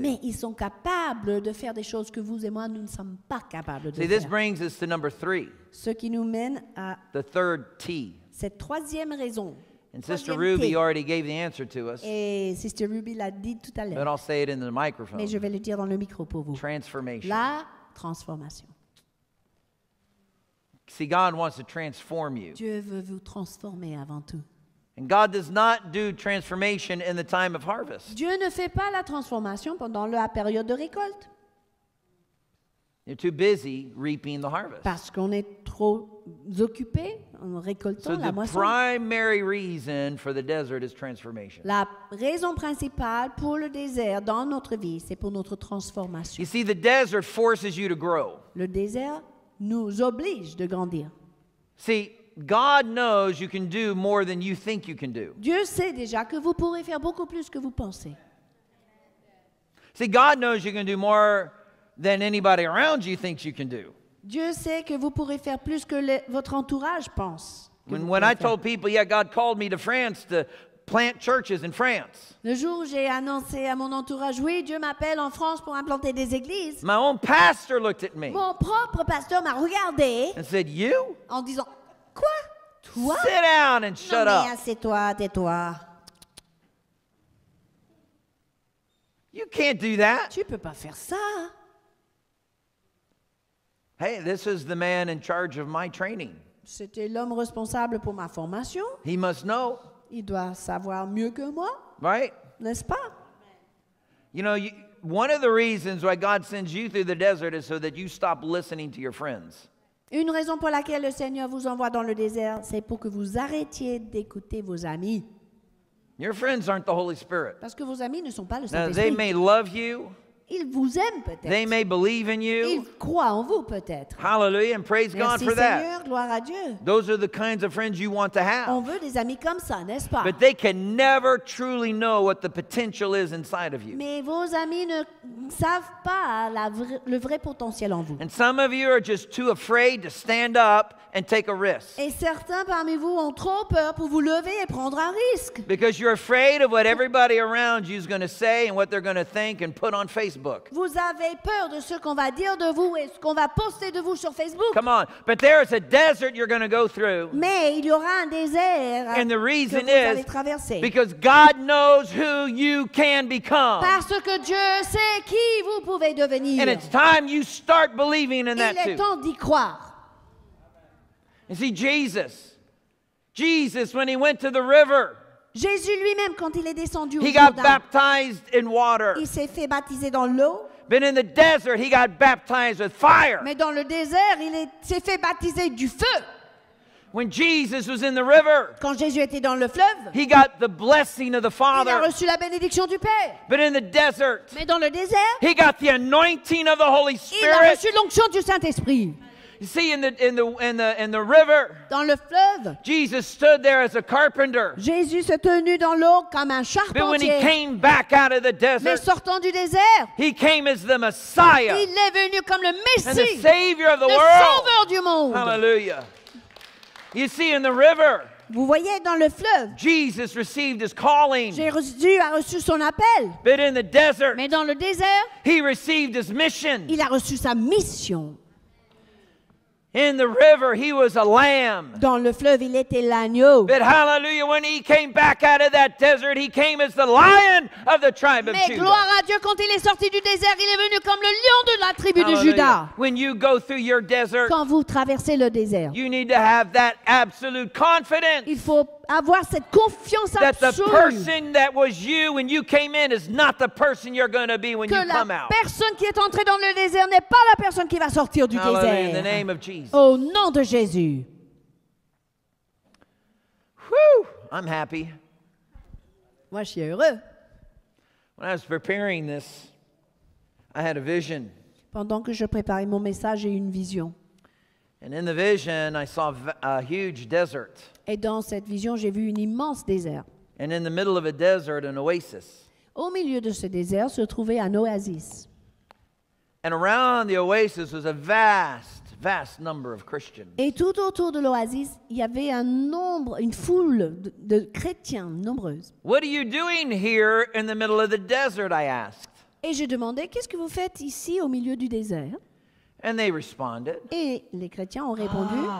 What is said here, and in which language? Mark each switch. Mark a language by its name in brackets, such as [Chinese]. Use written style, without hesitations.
[French] Mais ils sont capables de faire des choses que vous et moi nous ne sommes pas capables de faire. [English] See, this brings us to number three. [French] Ce qui nous mène à [English] the third T. [French] Cette troisième raison. [English] And Sister Ruby already gave the answer to us. [French] Et Sister Ruby l'a dit tout à l'heure. [English] But I'll say it in the microphone. [French] Mais je vais le dire dans le micro pour vous. [English] Transformation. [French] La transformation. [English] See, God wants to transform you. [French] Dieu veut vous transformer avant tout. [English] And God does not do transformation in the time of harvest. [French] Dieu ne fait pas la transformation pendant la période de récolte. [English] You're too busy reaping the harvest. [French] Parce qu'on est trop occupé en récoltant [English] so [French] la moisson. [English] The primary reason for the desert is transformation. [French] La raison principale pour le désert dans notre vie, c'est pour notre transformation. [English] You see, the desert forces you to grow. [French] Le désert nous oblige de grandir. [English] See, God knows you can do more than you think you can do. [French] Dieu sait déjà que vous pourrez faire beaucoup plus que vous pensez. [English] See, God knows you can do more than anybody around you thinks you can do. [French] Dieu sait que vous pourrez faire plus que votre entourage pense. [English] When I told people, yeah, God called me to France to plant churches in France. [French] Le jour où j'ai annoncé à mon entourage, oui, Dieu m'appelle en France pour implanter des églises. [English] My own pastor looked at me. [French] Mon propre pasteur m'a regardé. [English] And said, you? [French] En disant, quoi? Toi? [English] Sit down and shut [French] non, [English] up. [French] Non, mais assieds-toi, tais-toi. [English] You can't do that. [French] Tu peux pas faire ça. [English] Hey, this is the man in charge of my training. [French] C'était l'homme responsable pour ma formation. [English] He must know. [French] Il doit savoir mieux que moi. [English] Right? [French] N'est-ce pas? [English] You know, one of the reasons why God sends you through the desert is so that you stop listening to your friends. [French] Une raison pour laquelle le Seigneur vous envoie dans le désert, c'est pour que vous arrêtiez d'écouter vos amis. [English] Your friends aren't the Holy Spirit. [French] Parce que vos amis ne sont pas le Saint-Esprit. [English] They may love you. [French] Ils vous aiment peut-être. [English] They may believe in you. [French] Ils croient en vous peut-être. [English] Hallelujah and praise [French] Merci [English] God for that. [French] Merci Seigneur, gloire à Dieu. [English] Those are the kinds of friends you want to have. [French] On veut des amis comme ça, n'est-ce pas? [English] But they can never truly know what the potential is inside of you. [French] Mais vos amis ne savent pas le vrai potentiel en vous. [English] And some of you are just too afraid to stand up and take a risk. [French] Et certains parmi vous ont trop peur pour vous lever et prendre un risque. [English] Because you're afraid of what everybody around you is going to say and what they're going to think and put on Facebook. [French] Vous avez peur de ce qu'on va dire de vous et ce qu'on va poster de vous sur Facebook. [English] Come on, but there is a desert you're going to go through. [French] Mais il y aura un désert. [English] And the reason is because God knows who you can become. [French] Parce que Dieu sait qui vous pouvez devenir. [English] And it's time you start believing in that too. [French] Il est temps d'y croire. [English] You see, Jesus, when he went to the river, [French] Jésus lui-même, quand il est descendu au [English] he got baptized in water. [French] Il s'est fait baptiser dans l'eau. [English] But in the desert, he got baptized with fire. [French] Mais dans le désert, il s'est fait baptiser du feu. [English] When Jesus was in the river, [French] quand Jésus était dans le fleuve, [English] he got the blessing of the Father. [French] Il a reçu la bénédiction du Père. [English] But in the desert, [French] mais dans le désert, [English] he got the anointing of the Holy Spirit. [French] Il a reçu l'onction du Saint-Esprit. [English] You see, in the river, [French] dans le fleuve, [English] Jesus stood there as a carpenter. [French] Jésus s'est tenu dans l'eau comme un charpentier. [English] But when he came back out of the desert, [French] mais sortant du désert, [English] he came as the Messiah. [French] Il est venu comme le Messie, [English] and the Savior of the world. [French] Le Sauveur du monde. [English] Hallelujah. You see, in the river, [French] vous voyez, dans le fleuve, [English] Jesus received his calling. [French] Jésus a reçu son appel. [English] But in the desert, [French] mais dans le désert, [English] he received his mission. [French] Il a reçu sa mission. [English] In the river, he was a lamb. [French] Dans le fleuve, il était l'agneau. [English] But hallelujah, when he came back out of that desert, he came as the lion of the tribe of [French] Judah. Mais gloire à Dieu, quand il est sorti du désert, il est venu comme le lion de la tribu de Juda. [English] When you go through your desert, [French] quand vous traversez le désert, [English] you need to have that absolute confidence. [French] Il faut avoir cette confiance absolue. [English] That the person that was you when you came in is not the person you're going to be when you come out. [French] Que la personne qui est entrée dans le désert n'est pas la personne qui va sortir du désert. [English] In the name of Jesus. [French] Au nom de Jésus. [English] Whew, I'm happy. [French] Moi, je suis heureux. [English] When I was preparing this, I had a vision. [French] Pendant que je préparais mon message, j'ai eu une vision. [English] And in the vision, I saw a huge desert. [French] Et dans cette vision, j'ai vu une immense désert. [English] And in the middle of a desert, an oasis. [French] Au milieu de ce désert se trouvait un oasis. [English] And around the oasis was a vast, vast number of Christians. [French] Et tout autour de l'oasis, il y avait un nombre, une foule de chrétiens nombreuses. [English] What are you doing here in the middle of the desert, I asked. [French] Et je demandais, qu'est-ce que vous faites ici au milieu du désert? [English] And they responded. [French] Et les chrétiens ont répondu.